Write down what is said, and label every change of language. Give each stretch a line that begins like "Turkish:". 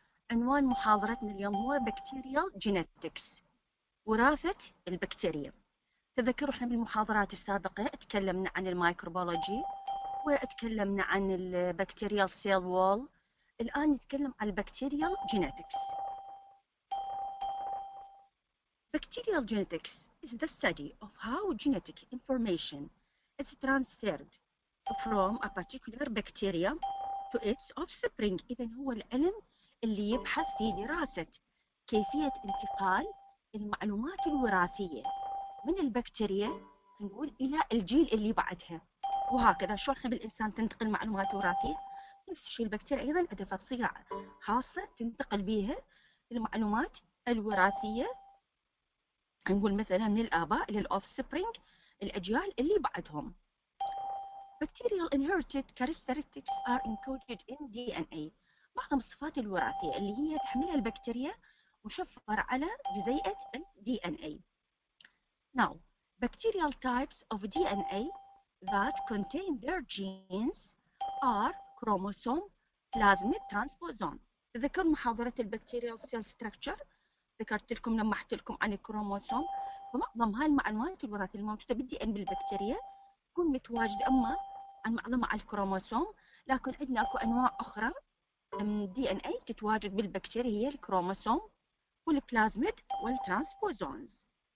Arabic: عنوان محاضرتنا اليوم هو بكتيريال جينيتكس، وراثة البكتيريا. تذكروا إحنا بالمحاضرات السابقة تكلمنا عن الميكروبيولوجي، وتكلمنا عن البكتيريال سيل وول. الآن نتكلم عن البكتيريال جينيتكس.
English: Bacterial genetics is the study of how genetic information is transferred from a particular bacteria to its offspring.
Arabic: إذن هو العلم اللي يبحث في دراسة كيفية انتقال المعلومات الوراثية من البكتيريا نقول إلى الجيل اللي بعدها، وهكذا. شو إحنا بالإنسان تنتقل معلومات وراثية؟ نفس الشيء البكتيريا أيضا أدفة صيغة خاصة تنتقل بها المعلومات الوراثية، نقول مثلا من الآباء للأوف سبرينج الأجيال اللي بعدهم.
English: Bacterial inherited characteristics are encoded in DNA.
Arabic: معظم الصفات الوراثية اللي هي تحملها البكتيريا مشفرة على جزيئة الـ DNA.
English: Now, bacterial types of DNA that contain their genes are chromosome plasmid transposon.
Arabic: تذكر محاضرة البكتيريال سيل ستراكشر، ذكرت لكم لمحت لكم عن الكروموسوم. فمعظم هاي المعلومات الوراثية الموجودة بالدي ان بالبكتيريا تكون متواجدة اما عن معظمها على الكروموسوم، لكن عندنا اكو انواع اخرى من دي ان اي تتواجد بالبكتيريا، هي الكروموسوم والبلازميد والترانسبوزونز.